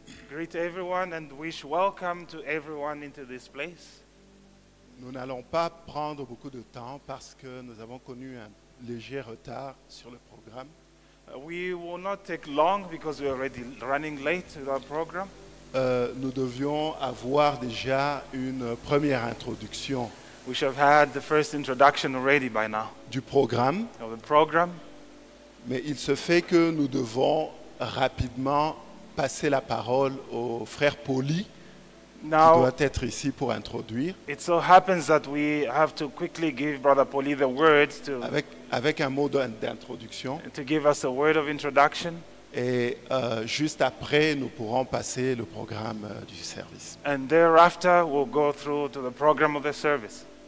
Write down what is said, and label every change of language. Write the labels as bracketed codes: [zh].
[en] Greet everyone and wish welcome to everyone into this place. [fr] Nous n'allons pas prendre beaucoup de temps parce que nous avons connu un léger retard sur le programme. [en] We will not take long because we are already running late with our program. [fr] Nous devions avoir déjà une première introduction. [en] We should have had the first introduction already by now. [fr] Du programme. [en] Of the program. [fr] Mais il se fait que nous devons rapidement passer la parole au frère Pauli [en] now, [fr] qui doit être ici pour introduire. [en] It so happens that we have to quickly give Brother Pauli the words to. [fr] Avec un mot d'introduction. [en] To give us a word of introduction. [fr] Et juste après, nous pourrons passer le programme du service. [en] And thereafter, we'll go through to the program of the service.